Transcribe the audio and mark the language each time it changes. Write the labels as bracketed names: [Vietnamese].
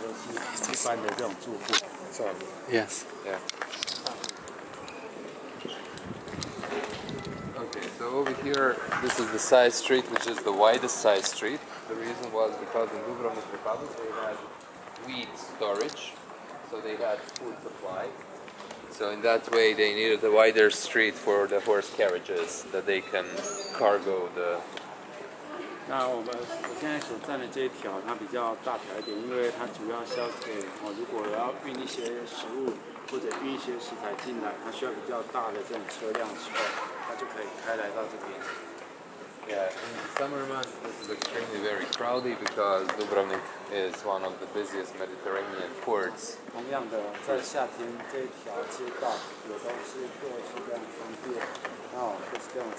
[Chinese] 每一个小巷子里面就可以看到这样的一个台阶，那台阶呢装了这些冷气，那这些都是一般的这种住户。Yes. [English] So over here, this is the side street, which is the widest side street. The reason was because in Dubrovnik Republic they had wheat storage, so they had food supply. So in that way they needed a wider street for the horse carriages that they can cargo the... [Chinese] 那我现在所站的这一条它比较大条一点，因为它主要是要给如果要运一些食物或者运一些食材进来，它需要比较大的这种车辆的时候，它就可以开来到这边。 [English] Yeah, in the summer months, this is extremely very crowded because Dubrovnik is one of the busiest Mediterranean ports. [Chinese] 同样的，在夏天这一条街道也都是各式各样的商店。